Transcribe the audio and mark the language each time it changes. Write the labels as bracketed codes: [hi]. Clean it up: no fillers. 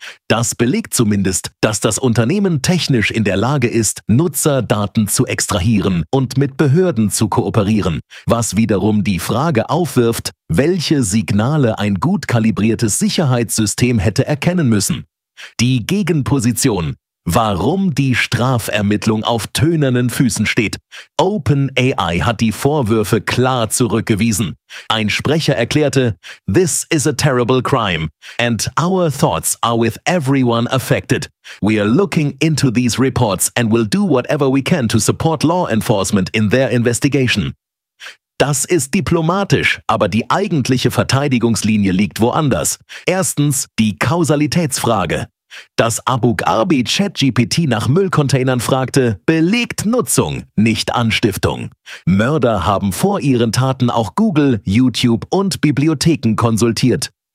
[de] Das belegt zumindest, dass das Unternehmen technisch in der Lage ist, Nutzerdaten zu extrahieren und mit Behörden zu kooperieren, was wiederum die Frage aufwirft, welche Signale ein gut kalibriertes Sicherheitssystem hätte erkennen müssen. Die Gegenposition: Warum die Strafermittlung auf tönernen Füßen steht. OpenAI hat die Vorwürfe klar zurückgewiesen. Ein Sprecher erklärte: [en] "This is a terrible crime and our thoughts are with everyone affected. We are looking into these reports and will do whatever we can to support law enforcement in their investigation." [de] Das ist diplomatisch, aber die eigentliche Verteidigungslinie liegt woanders. Erstens die Kausalitätsfrage. Dass Abu Ghabi ChatGPT nach Müllcontainern fragte, belegt Nutzung, nicht Anstiftung. Mörder haben vor ihren Taten auch Google, YouTube und Bibliotheken konsultiert.